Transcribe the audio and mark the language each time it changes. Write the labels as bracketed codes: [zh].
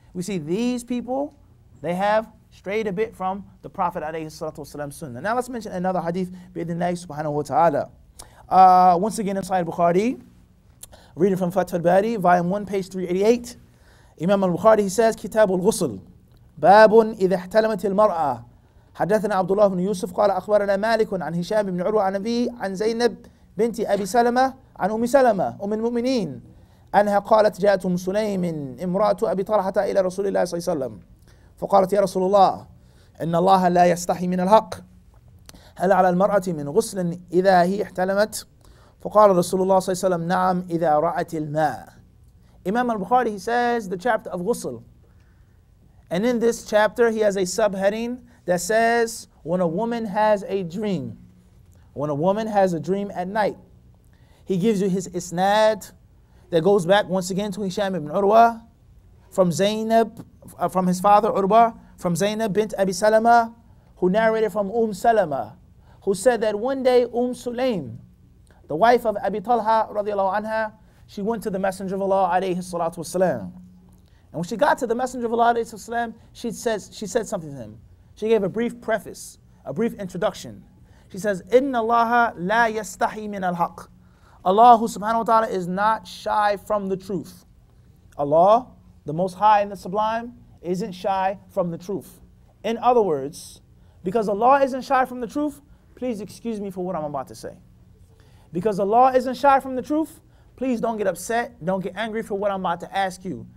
[en] We see these people, they have strayed a bit from the Prophet alayhi salatu wasalam sunnah. Now let's mention another hadith bi'idhnillahi subhanahu wa ta'ala. Once again, inside Bukhari, reading from Fathul Bari, volume 1, page 388. Imam al-Bukhari, he says, Kitab al-Ghusl, [ar] باب إذا احتلمت المرأة. حدثنا عبد الله بن يوسف قال أخبرنا مالك عن هشام بن عروة عن أبي عن زينب بنت أبي سلمة عن أم سلمة أم المؤمنين أنها قالت جاءت أم سليم امرأة أبي طلحة إلى رسول الله صلى الله عليه وسلم فقالت يا رسول الله إن الله لا يستحي من الحق هل على المرأة من غسل إذا هي احتلمت فقال رسول الله صلى الله عليه وسلم نعم إذا رأت الماء. إمام البخاري, [en] he says the chapter of غسل, and in this chapter he has a subheading that says, when a woman has a dream, when a woman has a dream at night, he gives you his isnad that goes back once again to Hisham ibn Urwa, from Zainab, from his father Urwa, from Zainab bint Abi Salama, who narrated from Salama, who said that one day Sulaim, the wife of Abi Talha radiallahu anha, she went to the Messenger of Allah alayhi salatu wasalam. And when she got to the Messenger of Allah alayhi salam, she said something to him. She gave a brief preface, a brief introduction. She says, [ar] إِنَّ اللَّهَ لَا يَسْتَحِي مِنَ الْحَقِّ. [en] Allah subhanahu wa ta'ala is not shy from the truth. Allah, the Most High and the Sublime, isn't shy from the truth. In other words, because Allah isn't shy from the truth, please excuse me for what I'm about to say. Because Allah isn't shy from the truth, please don't get upset, don't get angry for what I'm about to ask you.